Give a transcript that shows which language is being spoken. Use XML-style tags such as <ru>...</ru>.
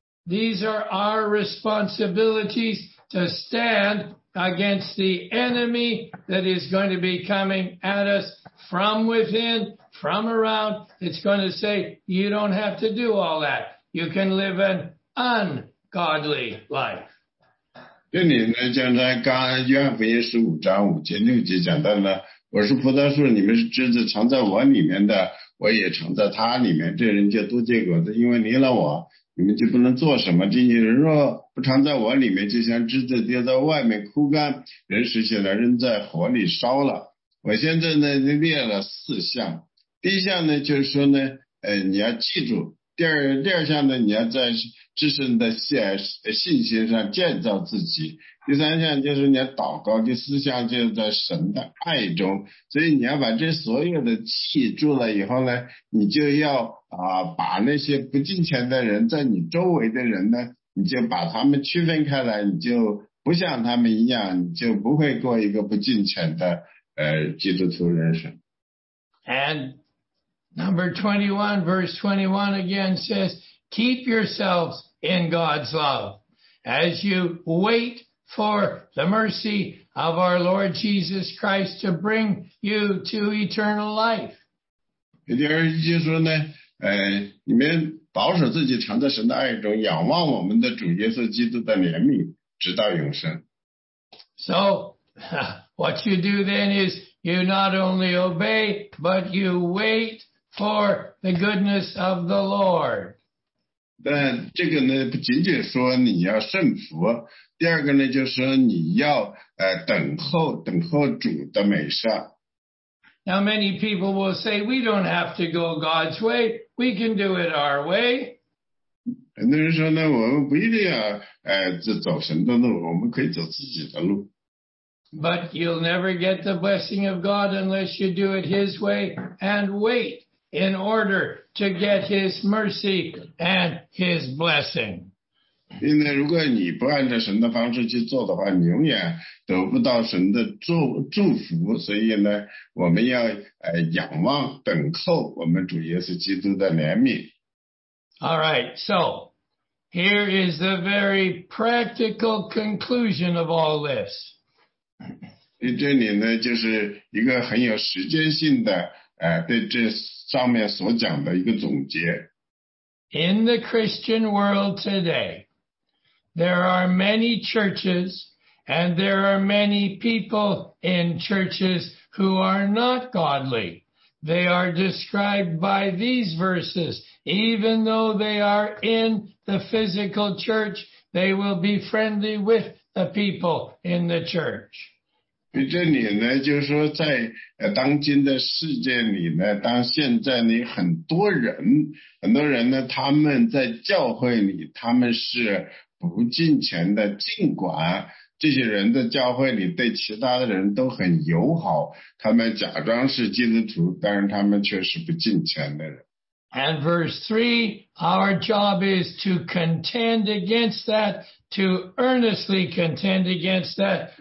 <en>These are our responsibilities to stand against the enemy that is going to be coming at us from within, from around. It's going to say, you don't have to do all that. You can live an ungodly life.</en> <zh>这里呢，讲在刚约翰福音十五章五节六节讲到了，我是葡萄树，你们是枝子，藏在我里面的，我也藏在他里面。这人就多结果子，因为离了我，你们就不能做什么。这些人若不常在我里面，就像枝子掉在外面枯干，人拾起来扔在火里烧了。我现在呢列了四项，第一项呢就是说呢，你要记住。第二项呢，你要在至圣的信心上建造自己。第三项就是你要祷告，第四项就是在神的爱中。所以你要把这所有的气住了以后呢，你就要把那些不敬虔的人，在你周围的人呢，你就把他们区分开来，你就不像他们一样，你就不会过一个不敬虔的基督徒人生。</zh> <en>And number 21, verse 21 again says, keep yourselves in God's love as you wait for the mercy of our Lord Jesus Christ to bring you to eternal life.</en> <zh>第二句就说呢，你们保守自己藏在神的爱中，仰望我们的主耶稣基督的怜悯，直到永生。</zh> <en>So, what you do then is you not only obey, but you wait for the goodness of the Lord.</en> <zh>但这个呢，不仅仅说你要顺服，第二个呢，就是你要等候主的美善。</zh> <en>Now many people will say, we don't have to go God's way, we can do it our way.</en> <zh>很多人说呢，我们不一定要走神的路，我们可以走自己的路。</zh> <en>But you'll never get the blessing of God unless you do it His way and wait in order to get His mercy and His blessing.</en> <zh>因为如果你不按照神的方式去做的话，你永远得不到神的祝福。所以呢，我们要仰望等候我们主耶稣基督的怜悯。</zh> <en>All right, so here is the very practical conclusion of all this.</en> <zh>这里呢，就是一个很有时间性的对这上面所讲的一个总结。</zh> <en>In the Christian world today, there are many churches and there are many people in churches who are not godly. They are described by these verses. Even though they are in the physical church, they will be friendly with the people in the church.</en> <zh>这里呢，就是说在当今的世界里呢，当现在呢，很多人呢，他们在教会里，他们是不敬虔的，尽管这些人的教会里对其他的人都很友好，他们假装是基督徒，但是他们却是不敬虔的人。</zh> <en>And verse 3, our job is to contend against that, to earnestly contend against that.</en>